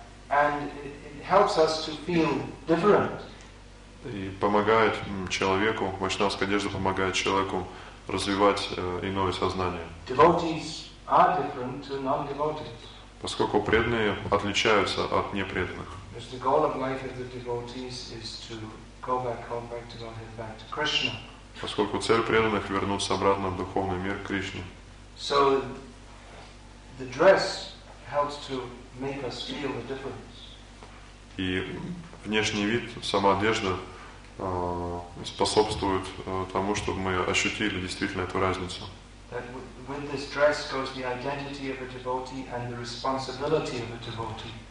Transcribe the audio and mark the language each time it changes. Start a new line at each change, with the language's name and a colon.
English: And it helps us to feel different.
Russian: И помогает человеку, вайшнавская одежда помогает человеку развивать иное сознание.
English: Devotees are different to non-devotees.
Russian: Поскольку преданные отличаются от непреданных.
English: Because the goal of life of the devotees is to go back to Godhead, back to Krishna.
Russian: Поскольку цель преданных — вернуться обратно в духовный мир, к Кришне.
English: So the dress helps to make us feel the difference.
Russian: И внешний вид, сама одежда способствует тому, чтобы мы ощутили действительно эту разницу.
English: That with this dress goes the identity of a devotee and the responsibility of a devotee.